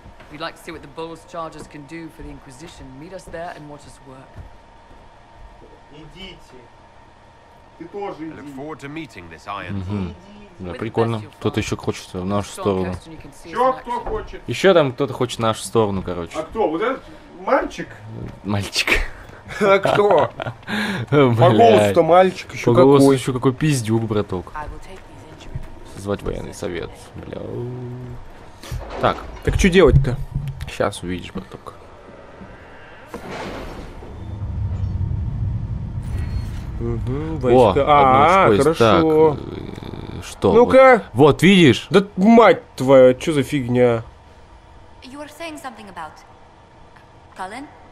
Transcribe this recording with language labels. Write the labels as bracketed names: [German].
[English] We'd like to see what the Bull's charges can do for the Inquisition. Meet us there and watch us work. [Russian] Идите. Ты тоже иди. [English] I look forward to meeting this Iron [Russian] Bull. Да, прикольно. Кто-то еще хочет в нашу сторону. Еще кто хочет? Еще там кто-то хочет в нашу сторону, короче. А кто? Вот этот мальчик? Мальчик. А кто? По голосу-то мальчик еще по какой. По голосу еще какой пиздюк, браток. Созвать военный совет. Бля. Так. Так что делать-то? Сейчас увидишь, браток. Угу, войска. Хорошо. Так, что? Ну-ка. Вот, видишь? Да мать твою, что за фигня? [English] You were saying something about... Cullen?